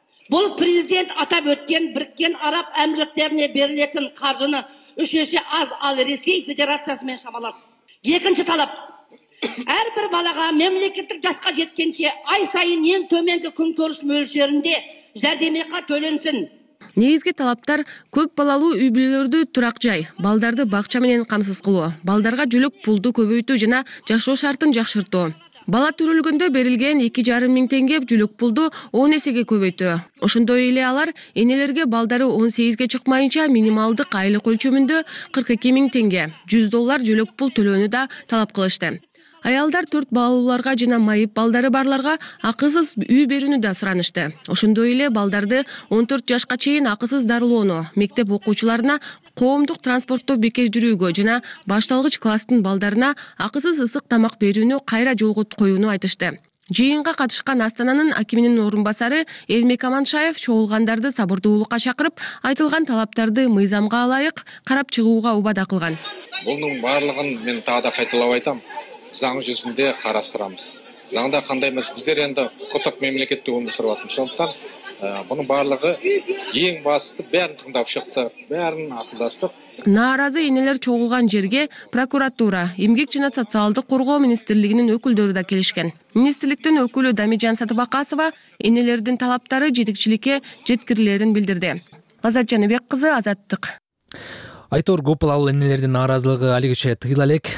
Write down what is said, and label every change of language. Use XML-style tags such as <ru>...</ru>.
<kk>Бұл президент атап өткен Біріккен Араб Әмірліктеріне берілетін қаржыны үш есе аз, ал Ресей Федерациясымен шамалас. Екінші талап. Әр бір балаға мемлекеттік жасқа жеткенше ай сайын ең төменгі күнкөріс мөлшерінде жәрдемақы төленсін.</kk> <ky>Негизги талаптар көп балалуу үй бүлөлөрдү турак жай, балдарды бакча менен камсыз кылуу, балдарга жүлүк пулду көбөйтүү жана жашоо шартын жакшыртуу. Бала төрөлгөндө берилген 2,5 000 теңге жүлүк пулду 10 эсеге көбөйтүү. Ошондой эле алар энелерге балдары 18 чыкмайынча минималдык айлык өлчөмүндө 42 000 теңге, $100 жүлүк пул төлөөнү да талап кылышты. Аялдар 4 балууларга жана майып балдары барларга акысыз үй берүүнү да суранышты. Ошондой эле балдарды 14 жашка чейин акысыз дарылоону, мектеп окуучуларына коомдук транспортто бекер жүрүүгө жана башталгыч класстын балдарына акысыз ысык тамак берүүнү кайра жолго коюуну айтышты. Жыйынга катышкан Астананын акиминин орун басары Эрмек Аманшаев чогулгандарды сабырдуулукка чакырып, айтылган талаптарды мыйзамга ылайык карап чыгууга убада кылган. Бунун баарлыгын мен таа да кайталап айтам.</ky> <kk>Заң жүзінде қарастырамыз. Заңда қандай мәс, біздер енді құқықтық мемлекетте өмір сүріп жатырмыз. Сондықтан бұның барлығы ең бастысы бәрін тыңдап шықты, бәрін ақылдастық.</kk> <ky>Наразы енелер чогулган жерге прокуратура, эмгек жана социалдык коргоо министрлигинин өкүлдөрү да келишкен. Министрликтин өкүлү Дамижан Сатыбакасова энелердин талаптары жетекчиликке жеткирилерин билдирди. Азат Жаныбек кызы, Азаттык. Айтор көп балалуу энелердин нааразылыгы алигиче тыйыла элек.</ky>